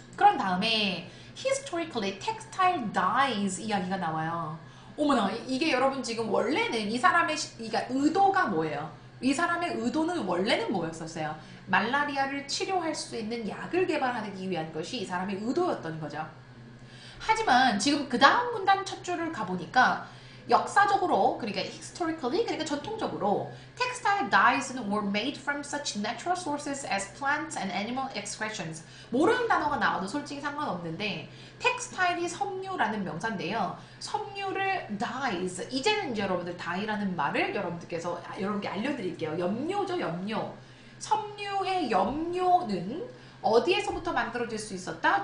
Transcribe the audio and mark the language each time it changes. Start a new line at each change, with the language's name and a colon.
Korean: 그런 다음에
English: historically textile dyes
Korean: 이야기가 나와요. 어머나, 이게 여러분 지금 원래는 이 사람의 그러니까 의도가 뭐예요? 이 사람의 의도는 원래는 뭐였었어요? 말라리아를 치료할 수 있는 약을 개발하기 위한 것이 이 사람의 의도였던 거죠. 하지만 지금 그 다음 문단 첫 줄을 가보니까 역사적으로, 그러니까 historically, 그러니까 전통적으로
English: textile dyes were made from such natural sources as plants and animal excretions.
Korean: 모르는 단어가 나와도 솔직히 상관없는데 textile이 섬유라는 명사인데요. 섬유를 dyes. 이제는 이제 여러분들 dye라는 말을 여러분들께서 여러분께 알려드릴게요. 염료죠, 염료. 섬유의 염료는 어디에서부터 만들어질 수 있었다?